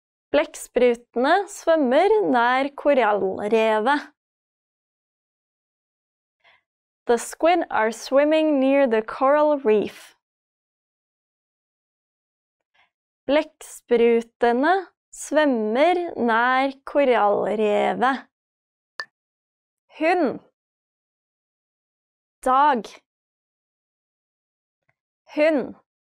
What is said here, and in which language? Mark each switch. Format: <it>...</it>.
<no>Blekksprutene svømmer nær korallrevet.</no> <en>The squid are swimming near the coral reef.</en> <no>Blekksprutene svømmer nær korallrevet. Hund.</no> <en>Dog.</en> <no>Hund.</no>